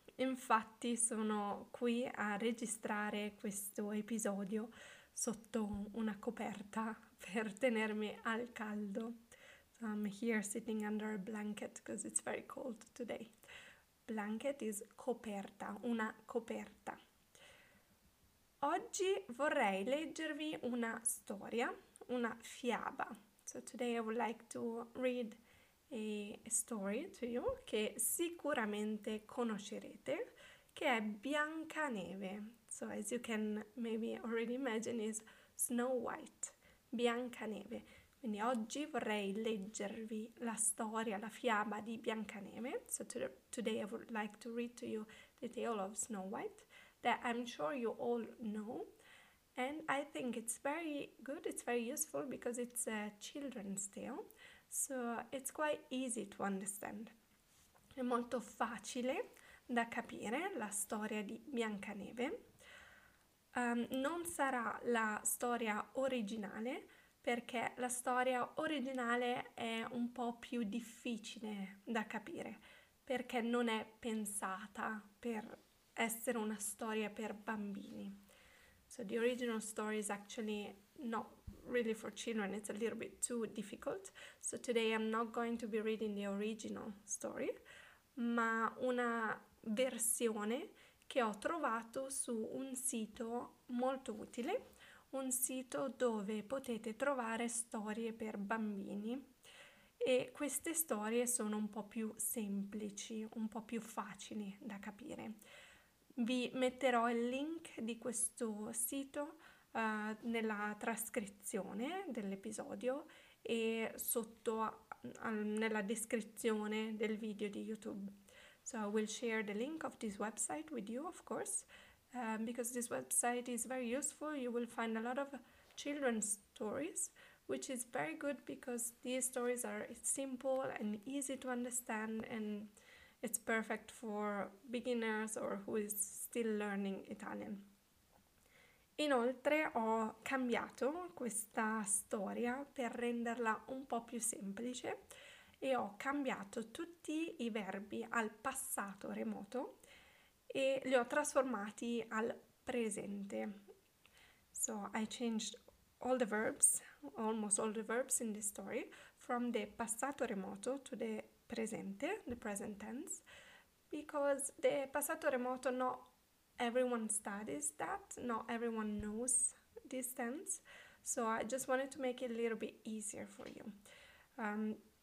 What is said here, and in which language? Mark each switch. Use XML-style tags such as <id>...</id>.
<it>Infatti sono qui a registrare questo episodio sotto una coperta per tenermi al caldo.</it> <en>So I'm here sitting under a blanket because it's very cold today. Blanket is</en> <it>coperta, una coperta. Oggi vorrei leggervi una storia, una fiaba.</it> <en>So today I would like to read a story to you</en> <it>che sicuramente conoscerete, che è Biancaneve.</it> <en>So as you can maybe already imagine, is Snow White, Biancaneve.</en> <it>Quindi oggi vorrei leggervi la storia, la fiaba di Biancaneve.</it> <en>So today I would like to read to you the tale of Snow White that I'm sure you all know. And I think it's very good, it's very useful because it's a children's tale. So it's quite easy to understand.</en> <it>È molto facile da capire la storia di Biancaneve. Non sarà la storia originale, perché la storia originale è un po' più difficile da capire, perché non è pensata per essere una storia per bambini.</it> <en>So the original story is actually not really for children, it's a little bit too difficult. So today I'm not going to be reading the original story,</en> <it>ma una versione che ho trovato su un sito molto utile, un sito dove potete trovare storie per bambini, e queste storie sono un po' più semplici, un po' più facili da capire. Vi metterò il link di questo sito nella trascrizione dell'episodio e sotto nella descrizione del video di YouTube.</it> <en>So I will share the link of this website with you, of course, because this website is very useful. You will find a lot of children's stories, which is very good because these stories are simple and easy to understand, and it's perfect for beginners or who is still learning Italian.</en> <it>Inoltre ho cambiato questa storia per renderla un po' più semplice, e ho cambiato tutti i verbi al passato remoto e li ho trasformati al presente.</it> <en>So I changed all the verbs, almost all the verbs in this story, from the passato remoto to the presente, the present tense, because the passato remoto, not everyone studies that, not everyone knows this tense, so I just wanted to make it a little bit easier for you.</en>